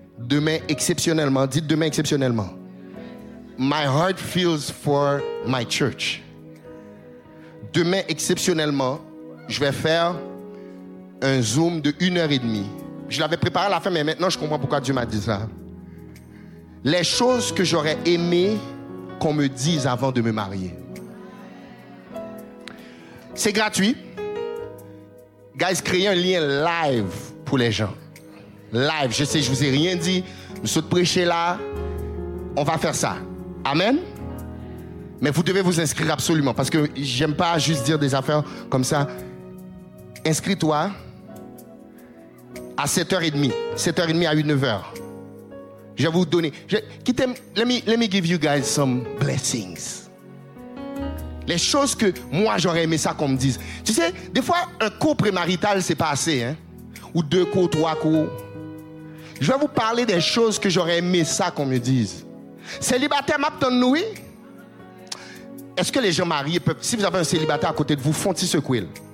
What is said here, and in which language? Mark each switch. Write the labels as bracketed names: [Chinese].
[French] Demain, exceptionnellement. Dites demain exceptionnellement. [English] My heart feels for my church. [French] Demain, exceptionnellement, je vais faire un zoom de 1h30. Je l'avais préparé à la fin, mais maintenant, je comprends pourquoi Dieu m'a dit ça. Les choses que j'aurais aimé qu'on me dise avant de me marier. C'est gratuit. Guys, créez un lien live pour les gens. Live. Je sais, je ne vous ai rien dit. Je suis prêché là. On va faire ça. Amen. Mais vous devez vous inscrire absolument parce que j'aime pas juste dire des affaires comme ça. Inscris-toi à 7h30 à 9h. Je vais vous donner. [English] Let me give you guys some blessings. [French] Les choses que moi j'aurais aimé ça qu'on me dise. Tu sais, des fois un cours prémarital c'est pas assez, hein? Ou deux cours, trois cours. Je vais vous parler des choses que j'aurais aimé ça qu'on me dise. Célibataire, m'abandonne-nous. Est-ce que les gens mariés peuvent, si vous avez un célibataire à côté de vous, font-y secouer.